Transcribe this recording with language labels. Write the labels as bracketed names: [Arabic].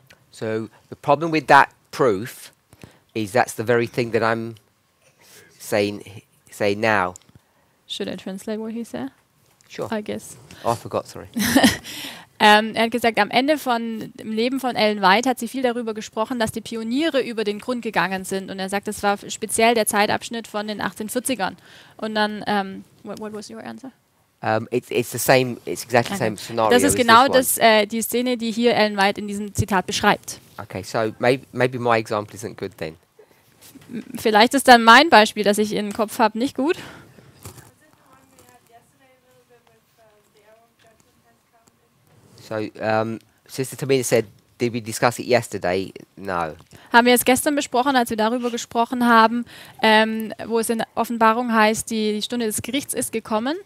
[English] So the problem with that proof is that's the very thing that I'm saying now. Should I translate what he said? Sure. I guess. Oh, I forgot, sorry. [German] Er hat gesagt, am Ende von dem Leben von Ellen White hat sie viel darüber gesprochen, dass die Pioniere über den Grund gegangen sind. Und er sagt, das war speziell der Zeitabschnitt von den 1840ern. Und dann, [English] what was your answer? It's the same. It's exactly the same scenario. [German] Das ist genau das die Szene, die hier Ellen White in diesem Zitat beschreibt. [English] Okay, so maybe my example isn't good then. [German] Vielleicht ist dann mein Beispiel, das ich im Kopf habe, nicht gut. [English] So, Sister Tamina said, did we discuss it yesterday? No. [German] Haben wir es gestern besprochen, als wir darüber gesprochen haben, wo es in Offenbarung heißt, die Stunde des Gerichts ist gekommen?